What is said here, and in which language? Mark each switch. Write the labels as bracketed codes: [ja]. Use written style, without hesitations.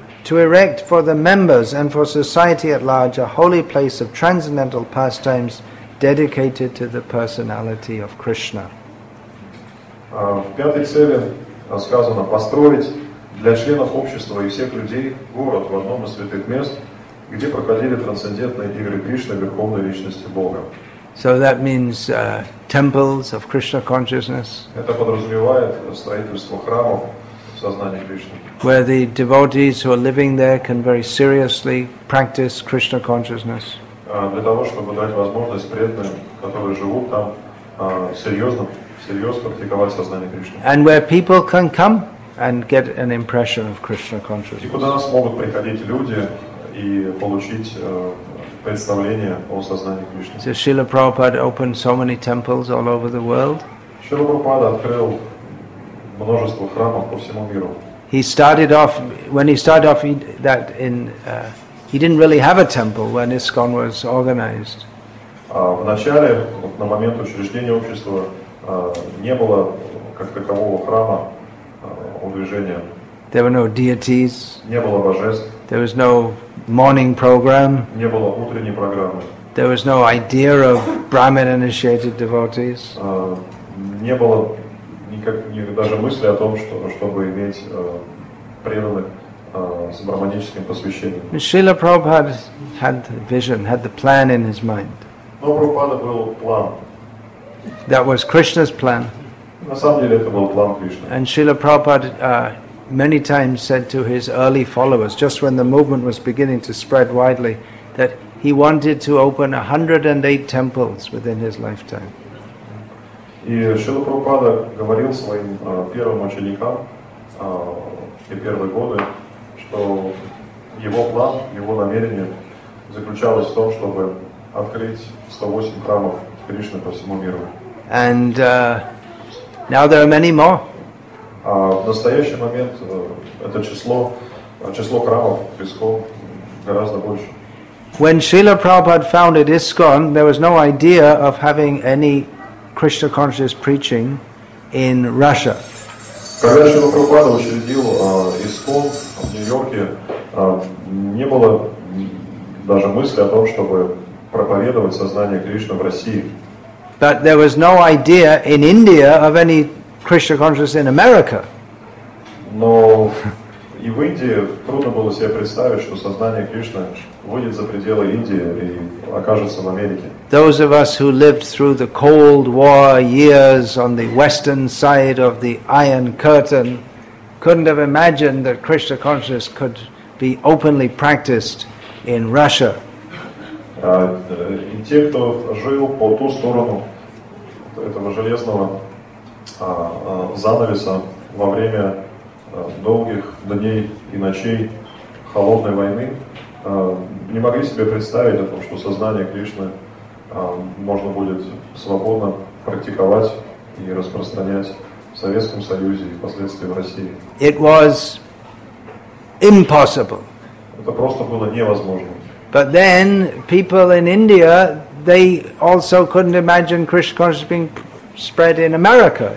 [en] To erect for the members and for society at large a holy place of transcendental pastimes dedicated to the personality of Krishna. [ru] В пятой цели сказано построить для членов общества и всех людей город в одном из святых мест, где проходили трансцендентные игры Кришны, Верховной Личности Бога. [en] So that means temples of Krishna consciousness. [ru] Это подразумевает строительство храмов в сознании Кришны. [en] Where the devotees who are living there can very seriously practice Krishna consciousness. [ru] Для того, чтобы дать возможность преданным, которые живут там, всерьез практиковать сознание Кришны. [en] And where people can come and get an impression of Krishna consciousness. [ru] И куда нас могут приходить люди и получить [en] So Srila Prabhupada opened so many temples all over the world. [ru] Srila Prabhupada открыл множество храмов по всему миру. [en] He didn't really have a temple when ISKCON was organized. [ru] В начале, вот на момент учреждения общества, не было как такового храма у движения. [en] There were no deities. [ru] Не было божеств. [en] There was no morning program. [ru] Не было утренней программы. [en] There was no idea of Brahmin initiated devotees. [ru] Не было даже мысли о том, чтобы иметь преданных с брахманическим посвящением. [en] Srila Prabhupada had the vision, had the plan in his mind. [ru] Но у Прабхупады был план. [en] That was Krishna's plan. [ru] На самом деле это был план Кришны. [en] And Srila Prabhupada many times said to his early followers, just when the movement was beginning to spread widely, that he wanted to open 108 temples within his lifetime. [ru] И Шрила Прабхупада говорил своим первым ученикам в те первые годы, что его план, его намерение заключалось в том, чтобы открыть 108 храмов Кришны по всему миру. [en] And now there are many more. [ru] В настоящий момент это число храмов в ISKCON гораздо больше. [en] When Srila Prabhupada founded ISKCON, there was no idea of having any Krishna conscious preaching in Russia. [ru] Когда Шрила Прабхупада учредил ISKCON в Нью-Йорке, не было даже мысли о том, чтобы проповедовать сознание Кришны в России. [en] But there was no idea in India of any Krishna consciousness in America. [ru] Но и в Индии трудно было себе представить, что сознание Кришны выйдет за пределы Индии и окажется в Америке. [en] Those of us who lived through the Cold War years on the western side of the Iron Curtain couldn't have imagined that Krishna consciousness could be openly practiced in Russia. [ru] И те, кто жил по ту сторону этого железного занавеса во время долгих дней и ночей холодной войны, не могли себе представить о том, что сознание Кришны можно будет свободно практиковать и распространять в Советском Союзе и впоследствии в России. [en] It was impossible. [ru] Это просто было невозможно. [en] But then people in India, they also couldn't imagine Krishna consciousness being spread in America.